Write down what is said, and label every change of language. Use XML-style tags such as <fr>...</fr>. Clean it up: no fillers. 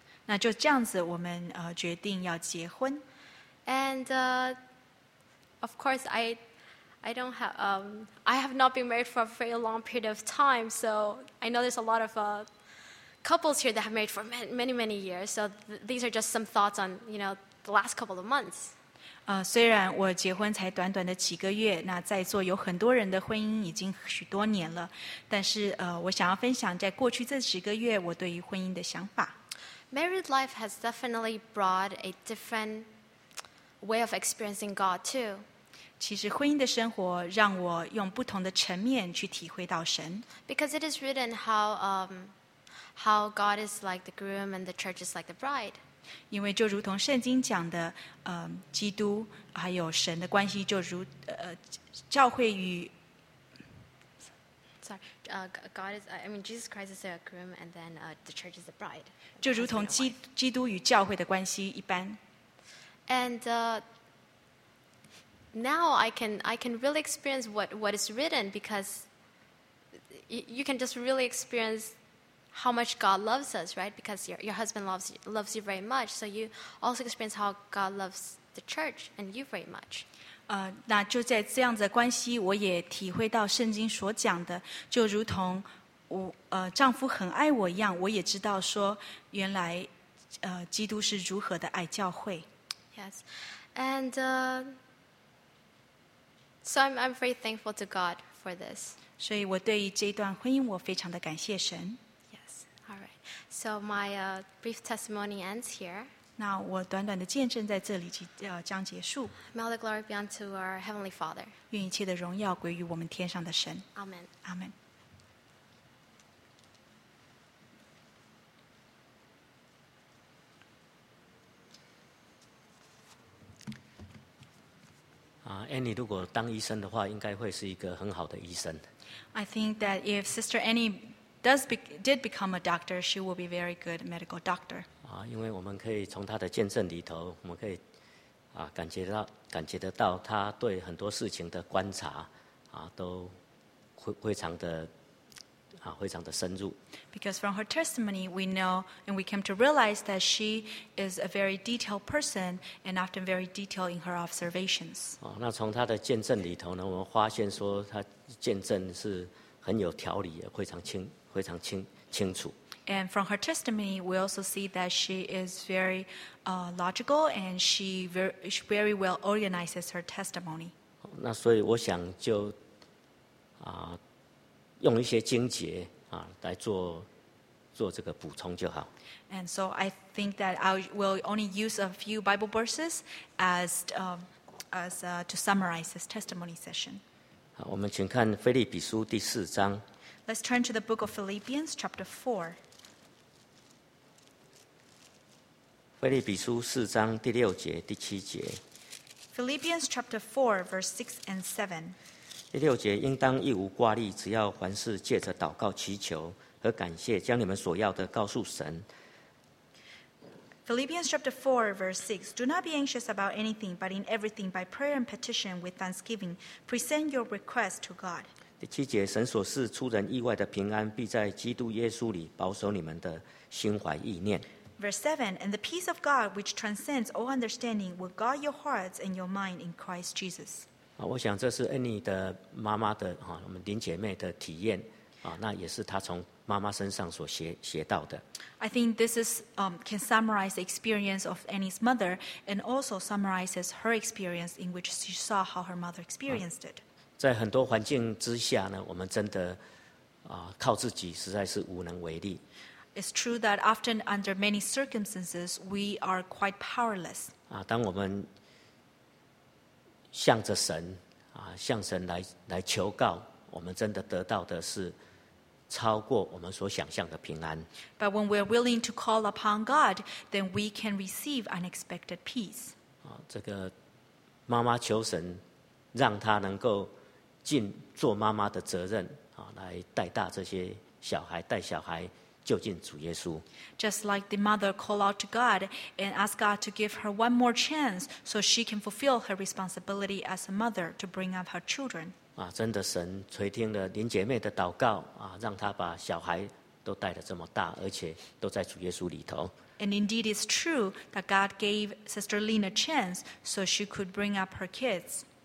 <zh>那就这样子，我们决定要结婚。</zh> <en>And of course, I don't have I have not been married for a very long period of time, so I know there's a lot of couples here that have married for many many years. So these are just some thoughts on you know the last couple of months.</en> <zh>虽然我结婚才短短的几个月，那在座有很多人的婚姻已经许多年了，但是我想要分享在过去这几个月我对于婚姻的想法。</zh> <en>Married life has definitely brought a different way of experiencing God too.</en> <zh>其实婚姻的生活让我用不同的层面去体会到神。</zh> <en>Because it is written how God is like the groom and the church is like the bride.</en> <zh>因为就如同圣经讲的，基督还有神的关系就如教会与</zh> <en>God is, I mean, Jesus Christ is a groom, and then the church is a bride.</en> <zh>就如同基督与教会的关系一般。</zh> <en>And now I can really experience what is written because you can just really experience how much God loves us, right? Because your husband loves you very much, so you also experience how God loves the church and you very much.</en> <zh>那就在这样子的关系，我也体会到圣经所讲的，就如同我丈夫很爱我一样，我也知道说，原来基督是如何的爱教会。</zh> <en>Yes, and so I'm very thankful to God for this.</en> <zh>所以我对于这段婚姻，我非常的感谢神。</zh> <en>Yes, all right. So my brief testimony ends here.</en> <zh>那我短短的见证在这里将结束。</zh> <en>May all the glory be unto our heavenly Father.</en> <zh>愿一切的荣耀归于我们天上的神。</zh> <en>Amen. Amen.</en> <zh>Annie 如果当医生的话，应该会是一个很好的医生。</zh> <en>I think that if Sister Annie did become a doctor, she will be a very good medical doctor.</en> <zh>因为我们可以从他的见证里头，我们可以感觉得到他对很多事情的观察都非常的非常的深入。</zh> <en>Because from her testimony, we know and we came to realize that she is a very detailed person and often very detailed in her observations.</en> <zh>那从她的见证里头呢，我们发现说她见证是很有条理，非常清，非常清清楚。</zh> <en>And from her testimony, we also see that she is very logical and she very well organizes her testimony.</en> <zh>那所以我想就用一些经节来做这个补充就好。</zh> <en>And so I think that I will only use a few Bible verses to summarize this testimony session.</en> <zh>好，我们请看腓立比书第四章。</zh> <en>Let's turn to the book of Philippians, chapter 4.</en> <zh>腓立比书四章第六节、第七节。</zh> <en>Philippians chapter 4, verse 6 and 7.</en> <zh>第六节，应当一无挂虑，只要凡事借着祷告、祈求和感谢，将你们所要的告诉神。</zh> <en>Philippians chapter 4, verse 6. Do not be anxious about anything, but in everything, by prayer and petition with thanksgiving, present your requests to God.</en> <zh>第七节，神所赐出人意外的平安，必在基督耶稣里保守你们的心怀意念。</zh> <en>Verse 7, and the peace of God, which transcends all understanding, will guard your hearts and your mind in Christ Jesus.</en> <zh>我想这是 Annie 的妈妈的，我们林姐妹的体验，那也是她从妈妈身上所 学到的。</zh> <en>I think this is, can summarize the experience of Annie's mother, and also summarizes her experience in which she saw how her mother experienced it.</en> <zh>在很多环境之下呢，我们真的，靠自己实在是无能为力。</zh> <en>It's true that often under many circumstances, we are quite powerless.</en> <zh>当我们向着神，向神 来求告，我们真的得到的是超过我们所想象的平安。</zh> <en>But when we're willing to call upon God, then we can receive unexpected peace.</en> <zh>这个妈妈求神，让她能够尽做妈妈的责任，来带大这些小孩，带小孩就近主耶稣。</zh> <en>Just like the mother called out to God and asked God to give her one more chance so she can fulfill her responsibility as a mother to bring up her children.</en> <zh>真的神垂听了林姐妹的祷告，让她把小孩都带得这么大，而且都在主耶稣里头。</zh> <en>And indeed it's true that God gave Sister Lynn a chance so she could bring up her kids.</en>